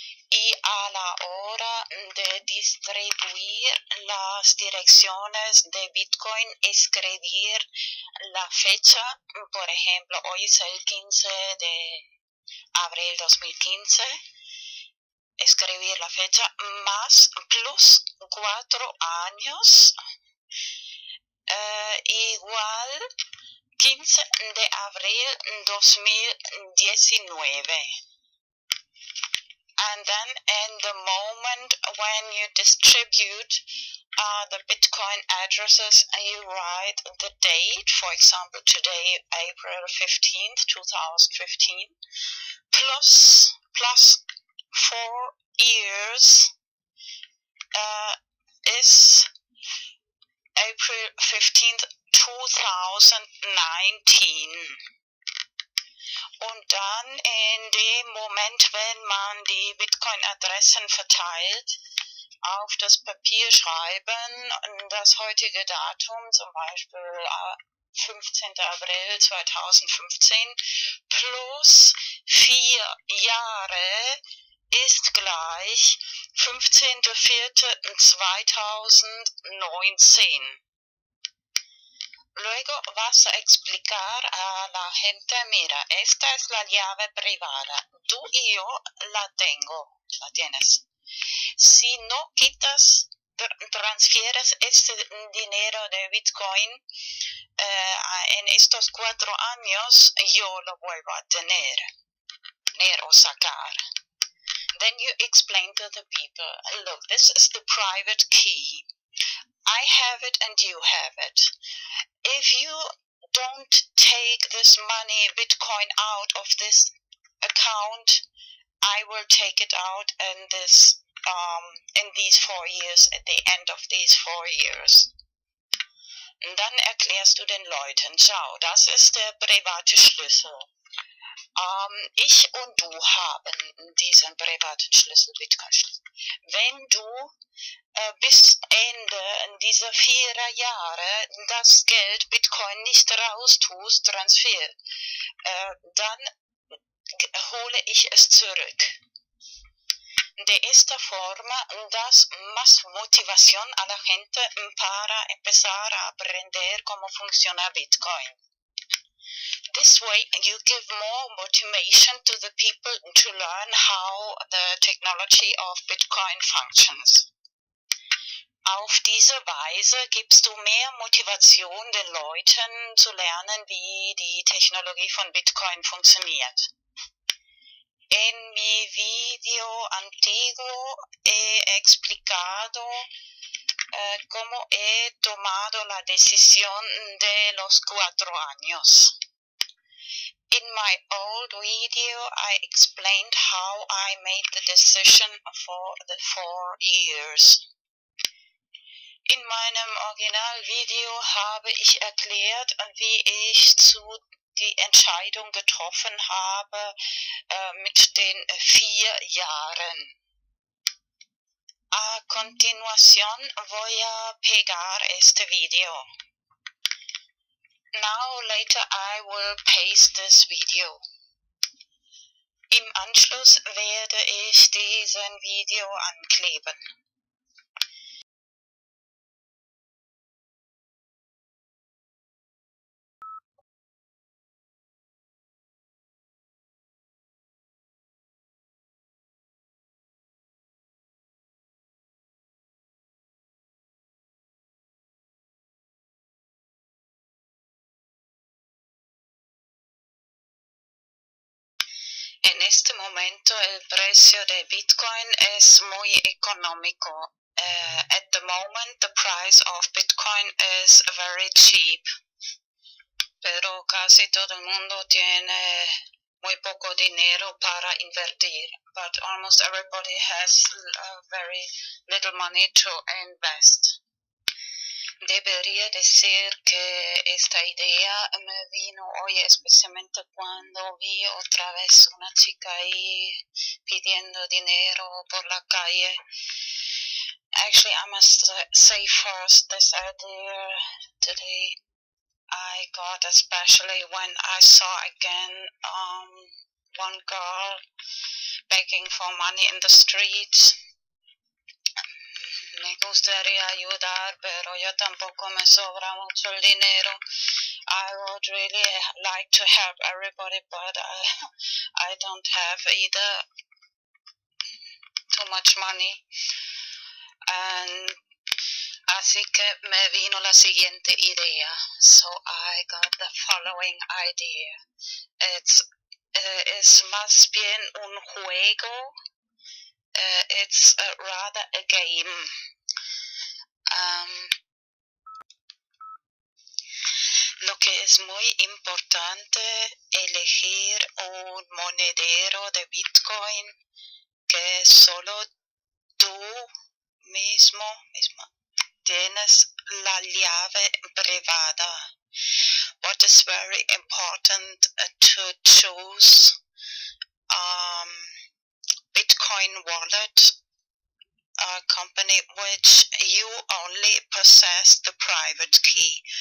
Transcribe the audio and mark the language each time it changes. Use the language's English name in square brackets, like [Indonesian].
[Spanish] Y a la hora de distribuir las direcciones de Bitcoin, escribir la fecha, por ejemplo, hoy es el 15 de abril 2015, escribir la fecha más plus 4 años, igual 15 de abril 2019. [English] And then in the moment when you distribute the Bitcoin addresses, you write the date, for example, today, April 15th, 2015, plus 4 years, is April 15th, 2019. [German] Und dann in dem Moment, wenn man die Bitcoin-Adressen verteilt, auf das Papier schreiben, das heutige Datum, zum Beispiel 15. April 2015, plus 4 Jahre ist gleich 15.04.2019. [Spanish] Luego vas a explicar a la gente, mira, esta es la llave privada. Tú y yo la tengo, la tienes. Si no quitas, transfieres este dinero de Bitcoin, en estos 4 años, yo lo vuelvo a tener o sacar. [English] Then you explain to the people, look, this is the private key. I have it and you have it. If you don't take this money, Bitcoin, out of this account, I will take it out in this, in these 4 years, at the end of these 4 years. [German] Und dann erklärst du den Leuten, schau, das ist der private Schlüssel. Ich und du haben diesen privaten Schlüssel, Bitcoin-Schlüssel. Wenn du bis Ende dieser 4 Jahre das Geld Bitcoin nicht raustust, Transfer, dann hole ich es zurück. [Spanish] De esta forma das más motivación a la gente para empezar a aprender cómo funciona Bitcoin. [English] This way, you give more motivation to the people to learn how the technology of Bitcoin functions. [German] Auf diese Weise gibst du mehr Motivation den Leuten zu lernen, wie die Technologie von Bitcoin funktioniert. [Spanish] En mi video antiguo he explicado cómo he tomado la decisión de los 4 años. [English] In my old video, I explained how I made the decision for the 4 years. [German] In meinem Originalvideo habe ich erklärt, wie ich zu die Entscheidung getroffen habe mit den 4 Jahren. [Spanish] A continuación voy a pegar este video. [English] Now later I will paste this video. [German] Im Anschluss werde ich diesen Video ankleben. [Spanish] En este momento el precio de Bitcoin es muy económico. [English] At the moment the price of Bitcoin is very cheap. [Spanish] Pero casi todo el mundo tiene muy poco dinero para invertir. [English] But almost everybody has very little money to invest. [Spanish] Debería decir que esta idea me vino hoy especialmente cuando vi otra vez una chica ahí pidiendo dinero por la calle. [English] Actually, I must say first this idea today I got especially when I saw again one girl begging for money in the streets. [Spanish] Me gustaría ayudar, pero yo tampoco me sobra mucho el dinero. [English] I would really like to help everybody, but I don't have either too much money. [Spanish] And así que me vino la siguiente idea. [English] So I got the following idea. [Spanish] Es más bien un juego. [English] It's rather a game. [Spanish] Lo que es muy importante elegir un monedero de Bitcoin que solo tú mismo tienes la llave privada. [English] What is very important to choose Bitcoin wallet, a company which you only possess the private key.